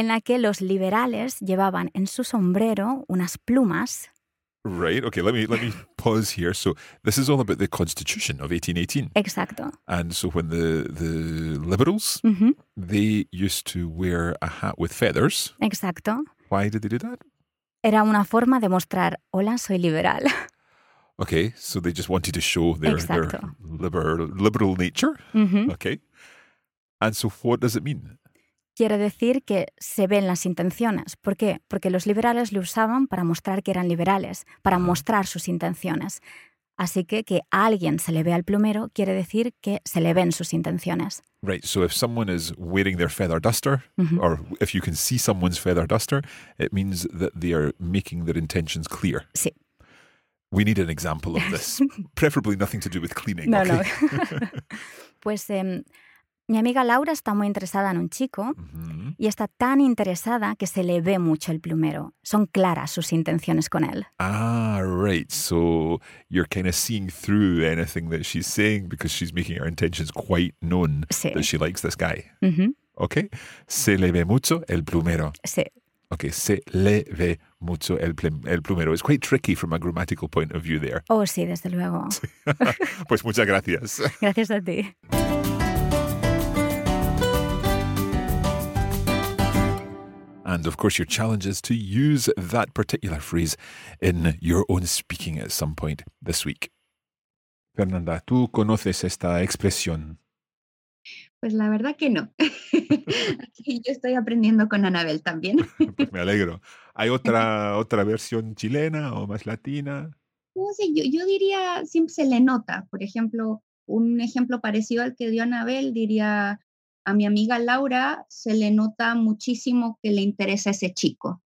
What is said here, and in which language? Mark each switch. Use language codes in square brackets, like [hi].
[es] En la que los liberales llevaban en su sombrero unas plumas. [en] Right. Okay. Let me pause here. So this is all about the Constitution of 1818. [es] Exacto. [en] And so when the liberals, mm-hmm. they used to wear a hat with feathers. [es] Exacto. [en] Why did they do that? [es] Era una forma de mostrar, hola, soy liberal. [en] Okay, so they just wanted to show their liberal nature. Mm-hmm. Okay. And so what does it mean? [es] Quiere decir que se ven las intenciones. ¿Por qué? Porque los liberales lo usaban para mostrar que eran liberales, para mostrar sus intenciones. Así que a alguien se le ve al plumero quiere decir que se le ven sus intenciones. [en] Right, so if someone is wearing their feather duster, mm-hmm. or if you can see someone's feather duster, it means that they are making their intentions clear. [es] Sí. [en] We need an example of this. Preferably nothing to do with cleaning. [es] No, okay? No. Pues mi amiga Laura está muy interesada en un chico uh-huh. y está tan interesada que se le ve mucho el plumero. Son claras sus intenciones con él. [en] Ah, right. So you're kind of seeing through anything that she's saying because she's making her intentions quite known [es] sí. [en] that she likes this guy. Uh-huh. Okay. [es] Se le ve mucho el plumero. Sí. Okay, se le ve mucho el plumero. [en] It's quite tricky from a grammatical point of view there. [es] Oh, sí, desde luego. Pues muchas gracias. Gracias a ti. [en] And of course, your challenge is to use that particular phrase in your own speaking at some point this week. [es] Fernanda, ¿tú conoces esta expresión? Pues la verdad que no. Aquí yo estoy aprendiendo con Anabel también. Pues me alegro. ¿Hay otra versión chilena o más latina? No sé, yo diría siempre se le nota. Por ejemplo, un ejemplo parecido al que dio Anabel diría a mi amiga Laura se le nota muchísimo que le interesa ese chico.